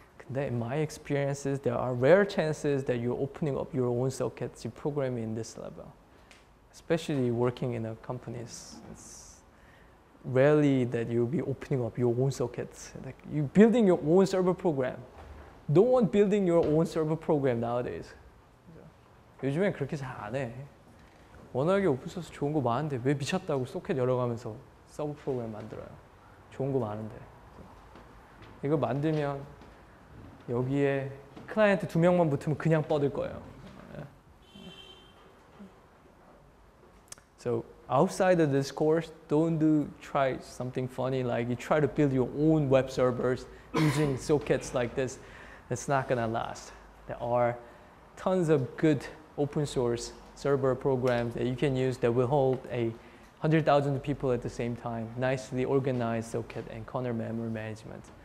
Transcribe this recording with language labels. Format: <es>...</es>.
<en>That in my experiences, there are rare chances that you're opening up your own sockets, you program in this level. Especially working in a company, it's rarely that you'll be opening up your own sockets. Like you're building your own server program. No one building your own server program nowadays.</en> <ko>Yeah. 요즘엔 그렇게 잘 안 해. 워낙에 오픈소스 좋은 거 많은데 왜 미쳤다고 소켓 열어가면서 서버 프로그램 만들어요. 좋은 거 많은데. 이거 만들면 여기에 클라이언트 두 명만 붙으면 그냥 뻗을 거예요.</ko> <en>So outside of this course, don't do try something funny like you try to build your own web servers using sockets like this. It's not gonna last. There are tons of good open source server programs that you can use that will hold 100,000 people at the same time, nicely organized socket and corner memory management.</en>